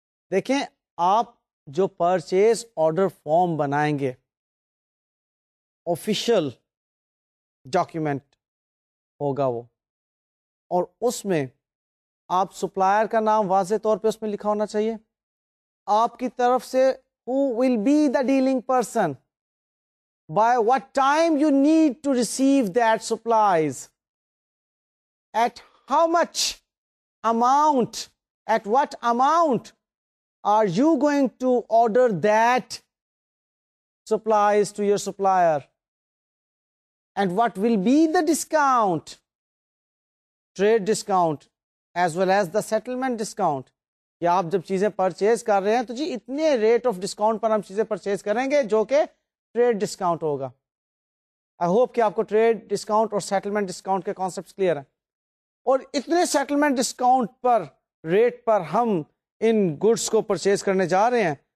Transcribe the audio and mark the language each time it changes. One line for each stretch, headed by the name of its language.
Urdu: دیکھیں آپ جو پرچیز آرڈر فارم بنائیں گے آفیشیل ڈاکیومینٹ ہوگا وہ, اور اس میں آپ سپلائر کا نام واضح طور پہ اس میں لکھا ہونا چاہیے, آپ کی طرف سے
English: Who will be the dealing person, by what time you need to receive that supplies, at how much amount, At what amount are you going to order that supplies to your supplier? And what will be the discount, trade discount, as well as the settlement discount?
Urdu: کہ آپ جب چیزیں purchase کر رہے ہیں تو جی اتنے rate of discount پر ہم چیزیں پرچیز کریں گے جو کہ ٹریڈ ڈسکاؤنٹ ہوگا.
English: I hope
Urdu: کہ آپ کو ٹریڈ ڈسکاؤنٹ اور سیٹلمنٹ ڈسکاؤنٹ کے کانسیپٹ کلیئر ہیں. اور اتنے سیٹلمنٹ ڈسکاؤنٹ پر ریٹ پر ہم ان گڈس کو پرچیز کرنے جا رہے ہیں.